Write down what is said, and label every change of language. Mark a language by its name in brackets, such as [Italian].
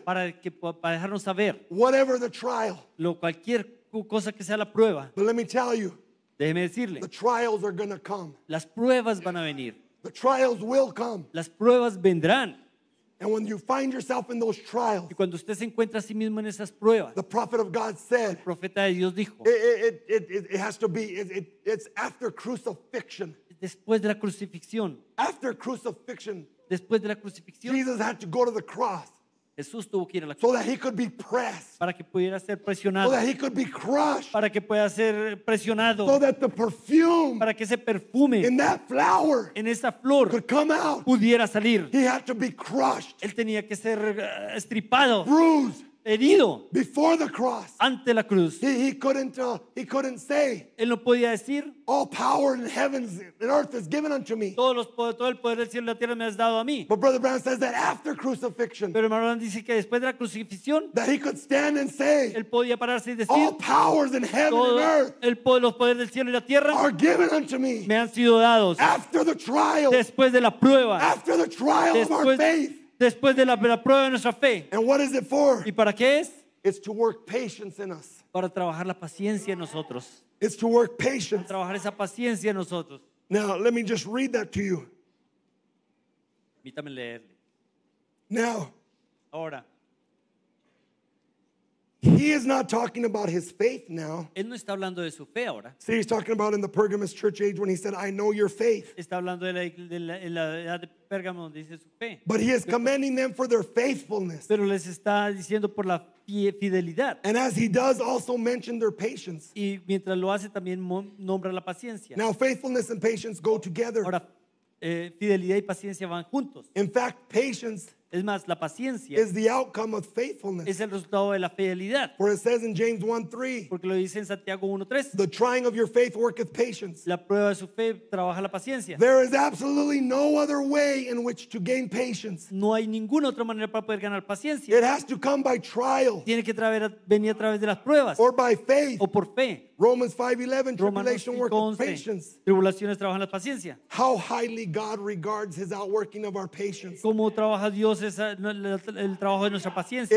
[Spanish] Para dejarnos saber. [English] Whatever the trial. [Spanish] Lo cualquier cosa que sea la prueba. [English] But let me tell you. [Spanish] Déjeme decirle. [English] The trials are going to come. [Spanish] Las pruebas van a venir. [English] The trials will come. [Spanish] Las pruebas vendrán. [English] And when you find yourself in those trials. [Spanish] Y cuando usted se encuentra a sí mismo en esas pruebas. [English] The prophet of God said. [Spanish] El profeta de Dios dijo. [English] It has to be. It's after crucifixion. [Spanish] Después de la crucifixión. [English] After crucifixion. [Spanish] Después de la crucifixión. [English] Jesus had to go to the cross. [Spanish] Jesús tuvo que ir a la cruz. [English] So that he could be pressed. [Spanish] Para que pudiera ser presionado. [English] So that he could be crushed. [Spanish] Para que pueda ser presionado. [English] So that the perfume. [Spanish] Para que ese perfume. [English] In that flower. [Spanish] En esa flor. [English] Could come out. [Spanish] Pudiera salir. [English] He had to be crushed. [Spanish] Él tenía que ser estripado. [English] Bruised. [Spanish] Herido. [English] Before the cross. [Spanish] Ante la cruz. [English] He couldn't say. [Spanish] Él no podía decir. [English] All power in heavens and earth is given unto me. [Spanish] Todo el poder del cielo y la tierra me has dado a mí. [English] But Brother Brown says that after crucifixion. [Spanish] Pero hermano Brown dice que después de la crucifixión. [English] That he could stand and say. [Spanish] Él podía pararse y decir. [English] All powers in heaven and earth. [Spanish] Los poderes del cielo y la tierra. [English] Are given unto me. [Spanish] Me han sido dados. [English] After the trial. [Spanish] Después de la prueba. [English] After the trial [Spanish] después [English] of our faith. [Spanish] Después de la prueba de nuestra fe. [English] And what is it for? [Spanish] ¿Y para qué es? [English] It's to work patience in us. [Spanish] Para trabajar la paciencia en nosotros. [English] It's to work patience. [Spanish] Para trabajar esa paciencia en nosotros. [English] Now, let me just read that to you. [Spanish] Permítame leerle. [English] Now. [Spanish] Ahora. [English] He is not talking about his faith now. [Spanish] Él no está hablando de su fe ahora. [English] See, he's talking about in the Pergamos church age when he said, I know your faith. [Spanish] Está hablando de la edad de Pérgamo donde dice su fe. [English] But he is commending them for their faithfulness. [Spanish] Pero les está diciendo por la fidelidad. [English] And as he does also mention their patience. [Spanish] Y mientras lo hace también nombra la paciencia. [English] Now faithfulness and patience go together. [Spanish] Ahora, fidelidad y paciencia van juntos. [English] In fact, patience. [Spanish] Es más, la paciencia [English] is the outcome of faithfulness. [Spanish] Es el resultado de la fidelidad. [English] For it says in James 1:3. [Spanish] Porque lo dice en Santiago 1:3. [English] The trying of your faith worketh patience. [Spanish] La prueba de su fe trabaja la paciencia. [English] There is absolutely no other way in which to gain patience. [Spanish] No hay ninguna otra manera para poder ganar paciencia. [English] It has to come by trial. [Spanish] Tiene que venir a través de las pruebas. [English] Or by faith. [Spanish] O por fe. [English] Romans 5:11. Tribulation worketh patience. [Spanish] Tribulaciones trabajan la paciencia. [English] How highly God regards His outworking of our patience. [Spanish] Cómo trabaja Dios el trabajo de nuestra paciencia.